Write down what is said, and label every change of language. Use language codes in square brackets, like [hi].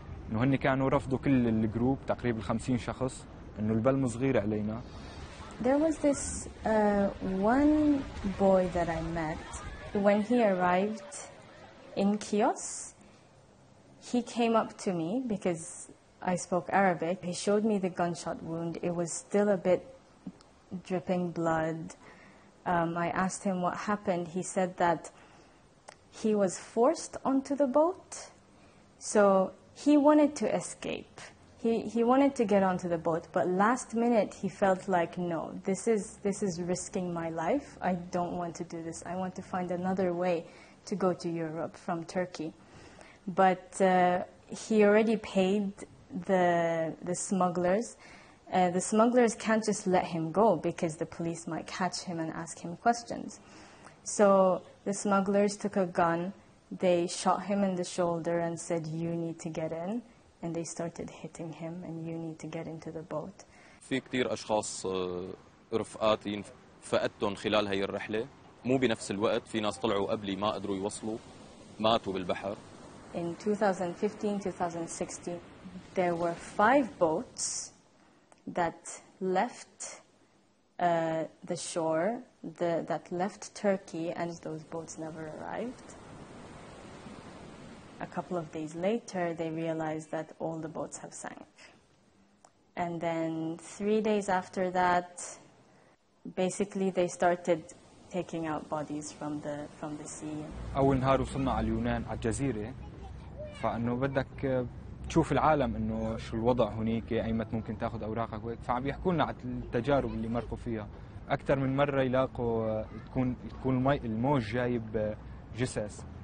[ar] انه هن كانوا رفضوا كل الجروب تقريبا 50 شخص انه البلم صغير علينا. [en] There was this one boy that I met when he arrived in Chios. He came up to me because I spoke Arabic. He showed me the gunshot wound. It was still a bit dripping blood. I asked him what happened. He said that he was forced onto the boat. So he wanted to escape. He He wanted to get onto the boat, but last minute he felt like, no, this is risking my life. I don't want to do this. I want to find another way to go to Europe from Turkey. But he already paid the smugglers. The smugglers can't just let him go because the police might catch him and ask him questions. So the smugglers took a gun, they shot him in the shoulder and said, you need to get in. And they started hitting him, and you need to get into the boat. [ar] في كتير أشخاص رفقاتي فقدتهم خلال هاي الرحلة مو بنفس الوقت. في ناس طلعوا قبلي ما قدروا يوصلوا, ماتوا بالبحر. [en] In 2015-2016, there were 5 boats that left the shore, that left Turkey, and those boats never arrived. A couple of days later, they realized that all the boats have sank. And then 3 days after that, basically they started taking out bodies from the sea. [ar] أول نهار وصلنا على اليونان على الجزيرة, فأنه بدك تشوف العالم إنه شو الوضع هناك, أيمت ممكن تأخذ أوراقك. فعم بيحكوا لنا على التجارب اللي مرقوا فيها. أكثر من مرة يلاقوا تكون الموج جايب جثث.